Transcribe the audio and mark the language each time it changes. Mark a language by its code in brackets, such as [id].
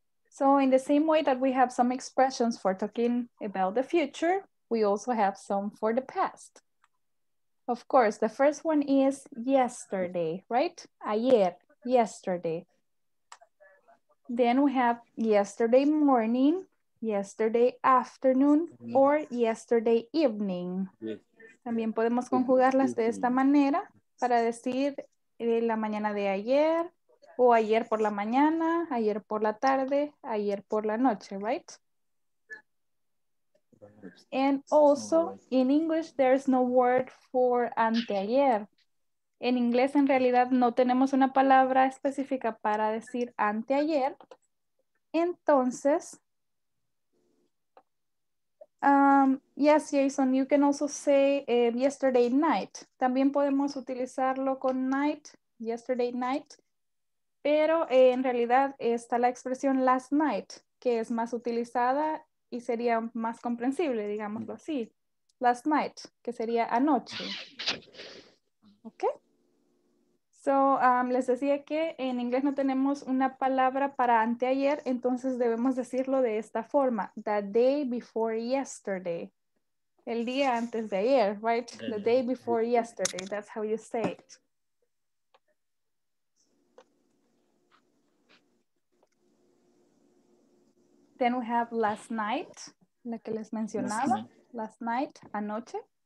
[en] So in the same way that we have some expressions for talking about the future, we also have some for the past. Of course, the first one is yesterday, right? Ayer, yesterday. Then we have yesterday morning, yesterday afternoon, or yesterday evening. [es] También podemos conjugarlas de esta manera para decir la mañana de ayer, o ayer por la mañana, ayer por la tarde, ayer por la noche, right? [en] And also, in English, there's no word for anteayer. [es] En inglés, en realidad, no tenemos una palabra específica para decir anteayer. [en] Entonces, yes, Jason, you can also say yesterday night. [es] También podemos utilizarlo con night, yesterday night. Pero en realidad está la expresión last night, que es más utilizada y sería más comprensible, digámoslo así. Last night, que sería anoche. Ok. So, les decía que en inglés no tenemos una palabra para anteayer, entonces debemos decirlo de esta forma. [en] The day before yesterday. El día antes de ayer, right? The day before yesterday, that's how you say it. Then we have last night, la que les mencionaba, last night, anoche.